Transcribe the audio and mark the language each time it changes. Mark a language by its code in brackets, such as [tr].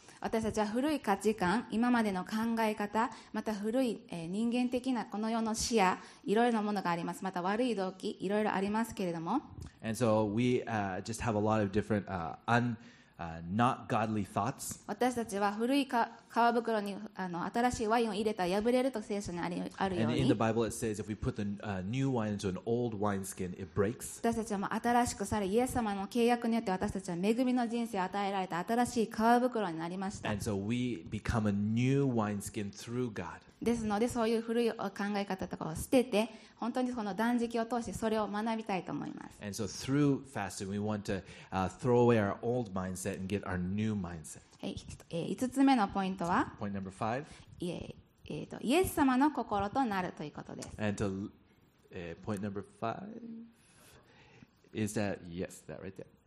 [ja] 私たちは古い価値観、今までの考え方、また古い、人間的なこの世の視野、いろいろなものがあります。また悪い動機、いろいろありますけれども。 [en] And so we, just have a lot of different, not godly thoughts. [ja] 私たちは古い皮袋に新しいワインを入れたら破れると聖書にあるように。 [en] And in the Bible it says if we put the new wine into an old wineskin, it breaks. [ja] 私たちも新しくされ、イエス様の契約によって私たちは恵みの人生を与えられた新しい皮袋になりました。 [en] And so we become a new wineskin through God. [ja] ですので、そういう古い考え方とかを捨てて、本当にこの断食を通してそれを学びたいと思います。 [en] And so through fasting, we want to throw away our old mindset and get our new mindset. [ja] 5つ目のポイントは、 [en] Point number five. [ja] イエス様の心となるということです。 [en] And to, point number five is that, yes, that right there.、